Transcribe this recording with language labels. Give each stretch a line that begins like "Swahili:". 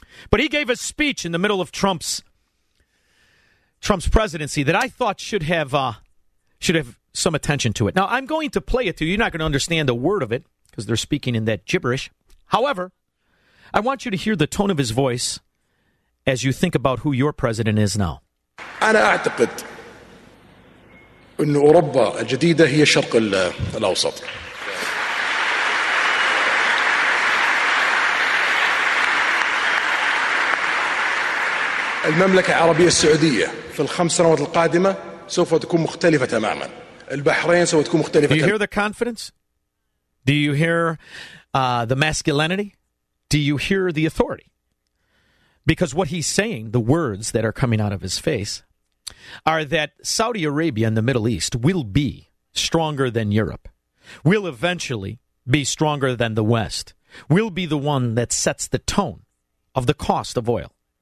English: But he gave a speech in the middle of Trump's presidency that I thought should have some attention to it. Now, I'm going to play it to you. You're not going to understand a word of it because they're speaking in that gibberish. However, I want you to hear the tone of his voice as you think about who your president is now.
Arabic: أنا أعتقد أن أوروبا الجديدة هي شرق الأوسط. المملكة العربية السعودية في الخمس سنوات القادمة سوف تكون مختلفة تماما. البحرين سوف تكون مختلفة.
English: Do you hear the confidence? Do you hear the masculinity? Do you hear the authority? Because what he's saying, the words that are coming out of his face, are that Saudi Arabia and the Middle East will be stronger than Europe, will eventually be stronger than the West, will be the one that sets the tone of the cost of oil.